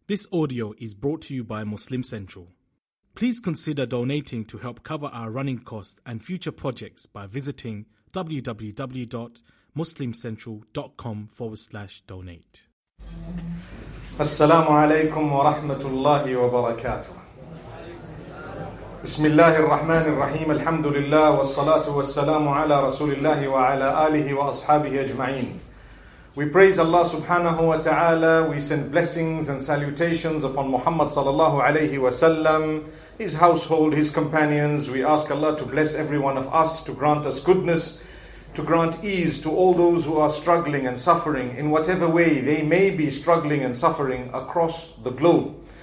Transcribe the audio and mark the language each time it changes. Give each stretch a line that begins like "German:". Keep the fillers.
English: This audio is brought to you by Muslim Central. Please consider donating to help cover our running costs and future projects by visiting www.muslimcentral.com forward slash donate.
Arabic: السلام عليكم ورحمة الله وبركاته. بسم الله الرحمن الرحيم الحمد لله والصلاة والسلام على رسول الله وعلى آله وأصحابه أجمعين.
English: We praise Allah subhanahu wa ta'ala, we send blessings and salutations upon Muhammad sallallahu alayhi wa sallam, his household, his companions. We ask Allah to bless every one of us, to grant us goodness, to grant ease to all those who are struggling and suffering in whatever way they may be struggling and suffering across the globe.